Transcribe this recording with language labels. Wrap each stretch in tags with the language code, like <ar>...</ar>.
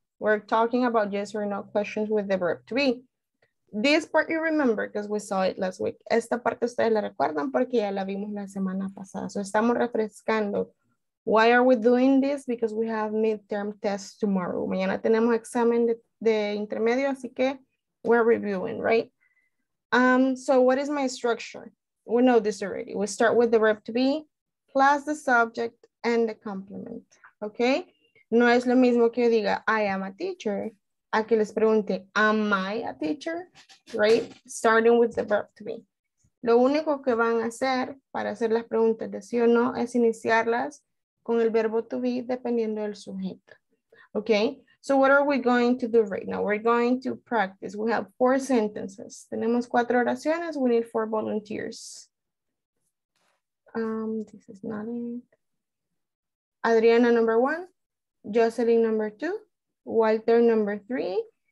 <en>We're talking about yes or no questions with the verb to be. This part you remember because we saw it last week.</en> <es>Esta parte ustedes la recuerdan porque ya la vimos la semana pasada.</es> <en>So</en> <es>estamos refrescando.</es> <en>Why are we doing this? Because we have midterm test tomorrow.</en> <es>Mañana tenemos examen de intermedio, así que</es> <en>we're reviewing, right? So what is my structure? We know this already. We start with the verb to be plus the subject and the complement, okay?</en> <es>No es lo mismo que yo diga,</es> <en>I am a teacher,</en> <es>a que les pregunte,</es> <en>am I a teacher, right? Starting with the verb to be.</en> <es>Lo único que van a hacer para hacer las preguntas de sí o no es iniciarlas con el verbo to be dependiendo del sujeto, okay?</es> <en>So what are we going to do right now? We're going to practice. We have four sentences.</en> <es>Tenemos cuatro oraciones.</es> <en>We need four volunteers. This is not it. Adriana, number one. Jocelyn, number two. Walter, number three.</en>